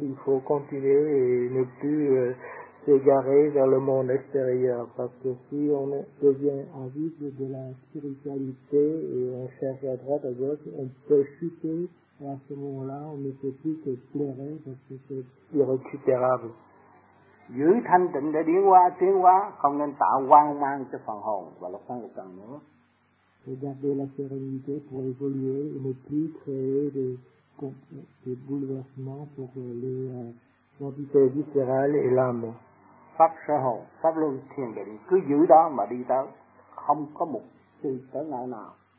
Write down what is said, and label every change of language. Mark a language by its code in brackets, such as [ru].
[fr] Il faut continuer et ne plus s'égarer vers le monde extérieur. Parce que si on devient avide de la spiritualité et on cherche à droite, à gauche, on peut chuter. Et à ce moment-là, on ne peut plus que pleurer parce que c'est irrécupérable. [vi] Giữ thanh tịnh để tiến hóa, không nên tạo hoang mang cho phần hồn và lục căn lục trần nữa. [fr] Et garder la sérénité pour évoluer et ne plus créer des bouleversements pour les entités viscérales et l'âme. [vi] Pháp sơ hồn, pháp luân thiền định, cứ giữ đó mà đi tới, không có một sự trở ngại nào.